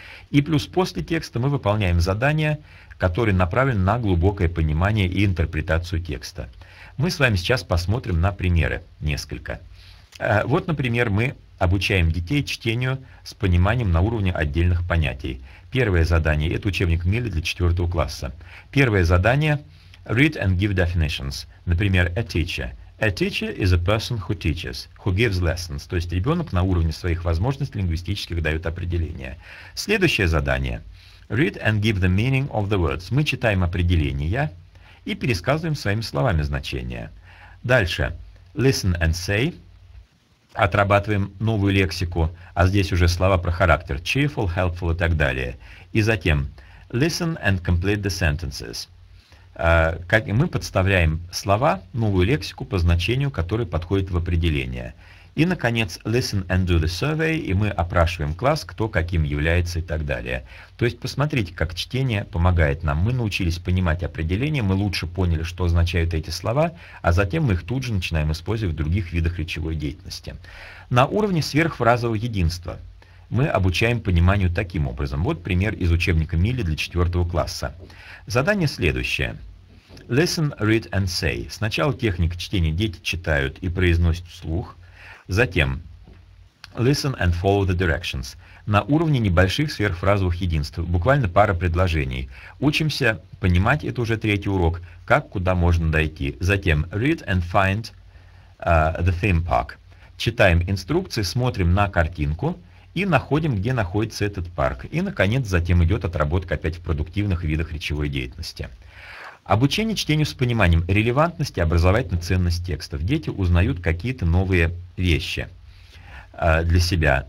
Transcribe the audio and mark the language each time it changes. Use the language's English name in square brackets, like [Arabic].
[Russian] И плюс после текста мы выполняем задания, которые направлены на глубокое понимание и интерпретацию текста. Мы с вами сейчас посмотрим на примеры несколько. Вот, например, мы обучаем детей чтению с пониманием на уровне отдельных понятий. Первое задание – это учебник Милли для 4 класса. Первое задание [English] – read and give definitions. [Russian] Например, [English] a teacher. A teacher is a person who teaches, who gives lessons. [Russian] То есть ребенок на уровне своих возможностей лингвистических дает определение. Следующее задание [English] – read and give the meaning of the words. [Russian] Мы читаем определения и пересказываем своими словами значение. Дальше [English] – listen and say. [Russian] Отрабатываем новую лексику, а здесь уже слова про характер – cheerful, helpful и так далее. И затем [English] – listen and complete the sentences. [Russian] Как мы подставляем слова, новую лексику по значению, которое подходит в определение. И, наконец, [English] listen and do the survey, [Russian] и мы опрашиваем класс, кто каким является и так далее. То есть посмотрите, как чтение помогает нам. Мы научились понимать определения, мы лучше поняли, что означают эти слова, а затем мы их тут же начинаем использовать в других видах речевой деятельности. На уровне сверхфразового единства мы обучаем пониманию таким образом. Вот пример из учебника Милли для 4 класса. Задание следующее. [English] Listen, read and say. [Russian] Сначала техника чтения, дети читают и произносят вслух. Затем, [English] listen and follow the directions. [Russian] На уровне небольших сверхфразовых единств, буквально пара предложений. Учимся понимать, это уже третий урок, как, куда можно дойти. Затем, [English] read and find the theme park. [Russian] Читаем инструкции, смотрим на картинку и находим, где находится этот парк. И, наконец, затем идет отработка опять в продуктивных видах речевой деятельности. Обучение чтению с пониманием релевантности и образовательной ценности текстов. Дети узнают какие-то новые вещи для себя.